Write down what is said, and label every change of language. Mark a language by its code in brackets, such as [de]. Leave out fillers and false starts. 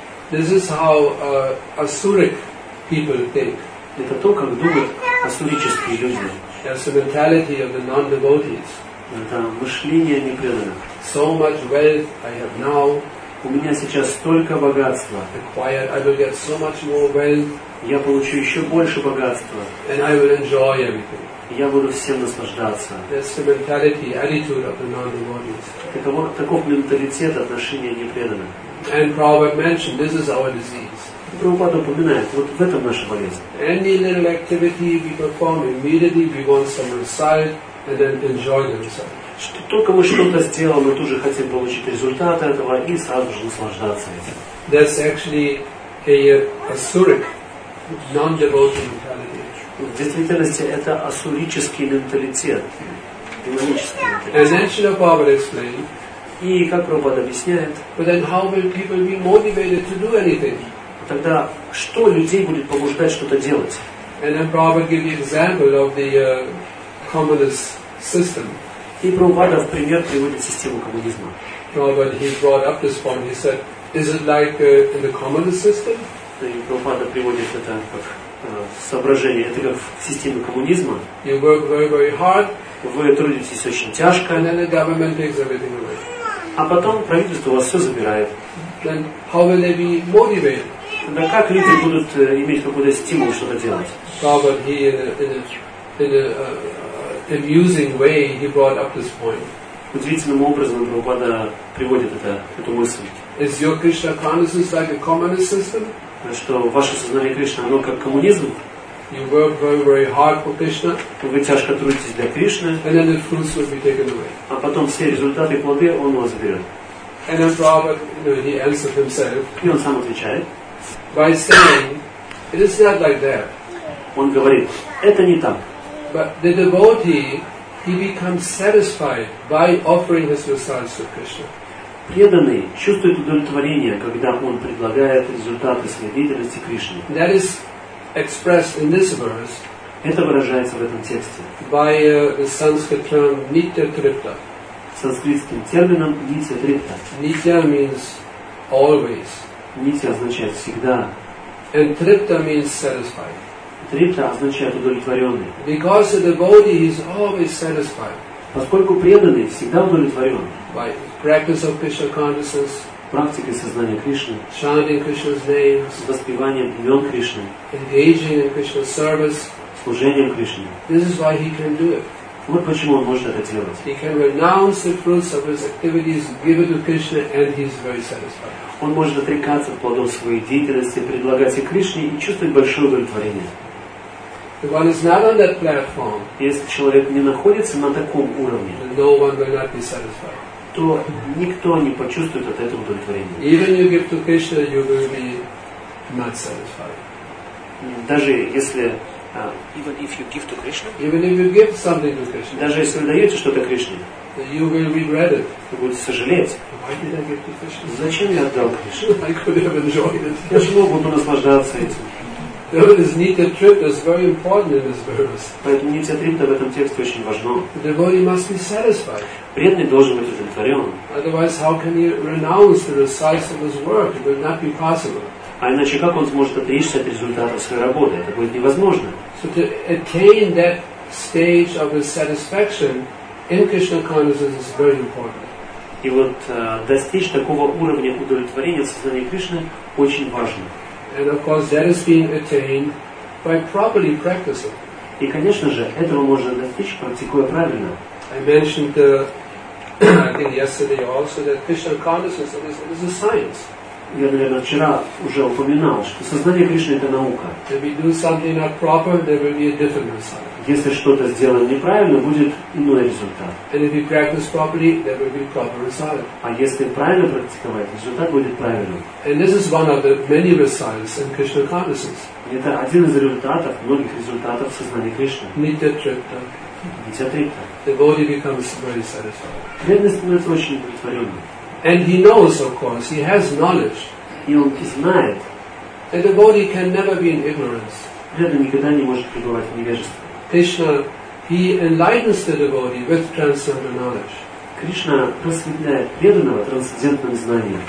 [en] This is how asuric people think. [ru] Это то, как думают асурические люди. [en] That's the mentality of the non-devotees. [ru] Это мышление непреданных. [en] So much wealth I have now. [ru] У меня сейчас столько богатства. [en] Acquired, I will get so much more wealth. [ru] Я получу еще больше богатства. [en] And I will enjoy everything. [ru] Я буду всем наслаждаться. [en] That's the mentality, attitude of the non-devotees. [ru] Таков менталитет отношения непреданных. [en] And Prabhupada mentioned, this is our disease. [ru] Прабхупада упоминает, вот в этом наша болезнь. [en] Any little activity we perform immediately, we want some result and then enjoy the result. [ru] Только мы что-то сделаем, мы тоже хотим получить результат этого и сразу же наслаждаться этим. [en] That's actually a suric, non-devotee mentality. [ru] В действительности это асурический менталитет, демонический менталитет. И как Прабхупада объясняет, [en] but then how will people be motivated to do anything? [ru] Тогда что людей будет побуждать что-то делать? [en] And then Prabhupada gives the example of the communist system. [ru] И Прабхупада в пример приводит систему коммунизма. [en] Prabhupada, he brought up this point. He said, is it like in the communist system? [ru] И Прабхупада приводит это как соображение. Это как система коммунизма. [en] You work very, very hard. [ru] Вы трудитесь очень тяжко. [en] And then the government takes everything away. [ru] А потом правительство у вас все забирает. [en] Then how will they be motivated? [ru] Тогда как люди будут иметь какой-то стимул что-то делать? [en] Prabhupada, he in a amusing way, he brought up this point. [ru] Удивительным образом Прабхупада приводит эту мысль. [en] Is your Krishna consciousness like a communist system? [ru] Что ваше сознание Кришны, оно как коммунизм? [en] You work very, very hard for Krishna. [ru] Вы тяжко трудитесь для Кришны. [en] And then the fruits will be taken away. [ru] А потом все результаты, плоды, он у вас берет. [en] And then Prabhupada, he answered himself. [ru] И он сам отвечает. [en] By saying, it is not like that. [ru] Он говорит, это не так. [en] But the devotee, he becomes satisfied by offering his results to Krishna. [ru] Преданный чувствует удовлетворение, когда он предлагает результаты своей деятельности Кришне. [en] That is expressed in this verse. [ru] Это выражается в этом тексте. [en] By the Sanskrit term nitya tripta. [ru] Санскритским термином nitya tripta. [en] Nitya means always. [ru] Nitya означает всегда. [en] And tripta means satisfied. [ru] Трита означает удовлетворенный. [en] Because the devotee is always satisfied. [ru] Поскольку преданный всегда удовлетворен. [en] By practice of Krishna consciousness. [ru] Практикой сознания Кришны. [en] Chanting Krishna's names. [ru] Воспеванием имен Кришны. [en] Engaging in Krishna's service. [ru] Служением Кришне. [en] This is why he can do it. [ru] Вот почему он может это делать. [en] He can renounce the fruits of his activities, give it to Krishna, and he is very satisfied. [ru] Он может отрекаться от плодов своей деятельности, предлагать их Кришне и чувствовать большое удовлетворение. [en] The one is not on that platform. [ru] Если человек не находится на таком уровне, [en] no one will not be satisfied. [ru] То никто не почувствует от этого удовлетворения. [en] Even you give to Krishna, you will be not satisfied. [ru] Даже если [en] even if you give to Krishna, even if you give something to Krishna, [ru] даже если вы даете что-то Кришне, [en] you will regret it. [ru] Вы будете сожалеть. [en] Why did I give to Krishna? [ru] Зачем я отдал Кришне? [en] I could have enjoyed it. [ru] Я же мог буду наслаждаться этим. [en] Devotees need a trip. That's very important in this verse. [ru] Поэтому нить отрыта в этом тексте очень важно. [en] The devotee must be satisfied. [ru] Преданный должен быть удовлетворен. [en] Otherwise, how can he renounce the results of his work? It would not be possible. [ru] А иначе как он сможет отречься от результата своей работы? Это будет невозможно. [en] So to attain that stage of his satisfaction in Krishna consciousness is very important. [ru] И вот достичь такого уровня удовлетворения в сознании Кришны очень важно. [en] And of course, that is being attained by properly practicing. [ru] И, конечно же, этого можно достичь, практикуя правильно. [en] I mentioned, I think yesterday also, that Krishna consciousness is a science. [ru] Я, наверное, вчера уже упоминал, что сознание Кришны – это наука. [en] If we do something not proper, there will be a different result. [ru] Если что-то сделано неправильно, будет иной результат. [en] And if we practice properly, there will be proper result. [ru] А если правильно практиковать, результат будет правильным. [en] And this is one of the many results in Krishna consciousness. [ru] Это один из результатов, многих результатов сознания Кришны. [sa] Нитя-трипта. Нитя-трипта. [en] The body becomes very satisfied. [ru] Преданный становится очень удовлетворенным. [en] And he knows, of course, he has knowledge. [ru] И он знает. [en] A devotee can never be in ignorance. [ru] Преданный никогда не может пребывать в невежестве. [en] Krishna, he enlightens the devotee with transcendental knowledge. [ru] Кришна просветляет преданного трансцендентным знанием.